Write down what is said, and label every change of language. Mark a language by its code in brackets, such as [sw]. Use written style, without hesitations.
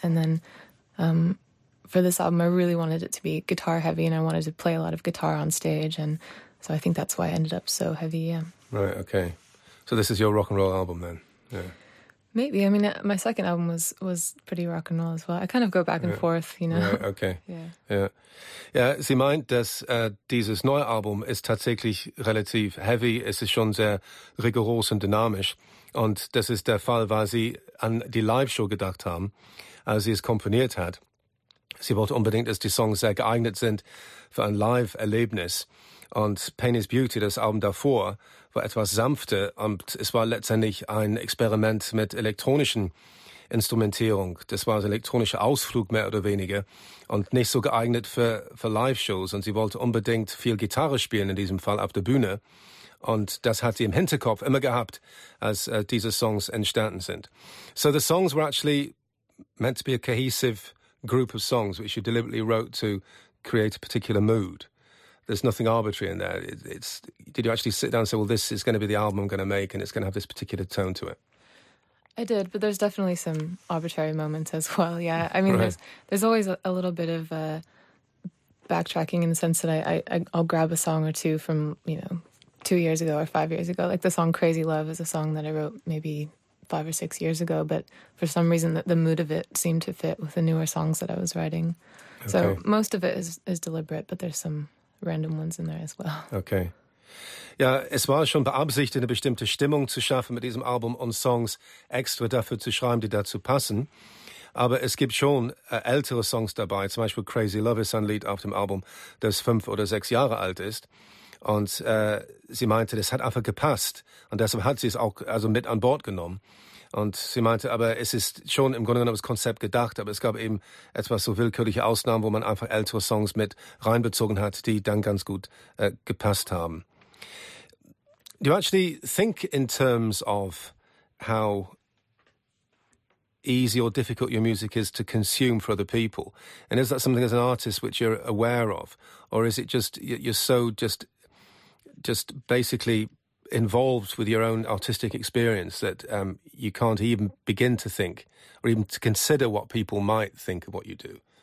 [en] And then for this album, I really wanted it to be guitar heavy and I wanted to play a lot of guitar on stage. And so I think that's why I ended up so heavy, yeah. Right, okay. So this is your rock and roll album then? Yeah. Maybe. I mean, my second album was pretty rock and roll as well. I kind of go back and forth, you know. Right, okay. Yeah. [de] Sie meint, dass dieses neue Album ist tatsächlich relativ heavy. Es ist schon sehr rigoros und dynamisch. Und das ist der Fall, weil sie an die Live-Show gedacht haben, als sie es komponiert hat. Sie wollte unbedingt, dass die Songs sehr geeignet sind für ein Live-Erlebnis. Und Pain is Beauty, das Album davor, war etwas sanfter und es war letztendlich ein Experiment mit elektronischen Instrumentierung. Das war ein elektronischer Ausflug mehr oder weniger und nicht so geeignet für Live-Shows. Und sie wollte unbedingt viel Gitarre spielen, in diesem Fall auf der Bühne. Und das hat sie im Hinterkopf immer gehabt, als diese Songs entstanden sind. [en] So the songs were actually meant to be a cohesive group of songs, which you deliberately wrote to create a particular mood. There's nothing arbitrary in there. Did you actually sit down and say, well, this is going to be the album I'm going to make and it's going to have this particular tone to it? I did, but there's definitely some arbitrary moments as well, yeah. I mean, there's always a little bit of backtracking in the sense that I'll grab a song or two from, you know, 2 years ago or 5 years ago. Like the song Crazy Love is a song that I wrote maybe 5 or 6 years ago, but for some reason the mood of it seemed to fit with the newer songs that I was writing. Okay. So most of it is deliberate, but there's some random ones in there as well. Okay. [de] Ja, es war schon beabsichtigt, eine bestimmte Stimmung zu schaffen mit diesem Album und Songs extra dafür zu schreiben, die dazu passen. Aber es gibt schon ältere Songs dabei, zum Beispiel Crazy Love ist ein Lied auf dem Album, das 5 oder 6 Jahre alt ist. Und sie meinte, das hat einfach gepasst. Und deshalb hat sie es auch also mit an Bord genommen. Und sie meinte, aber es ist schon im Grunde genommen das Konzept gedacht, aber es gab eben etwas so willkürliche Ausnahmen, wo man einfach ältere Songs mit reinbezogen hat, die dann ganz gut gepasst haben. [en] Do you actually think in terms of how easy or difficult your music is to consume for other people? And is that something as an artist which you're aware of? Or is it just you're so just basically involved with your own artistic experience that you can't even begin to think or even to consider what people might think of what you do?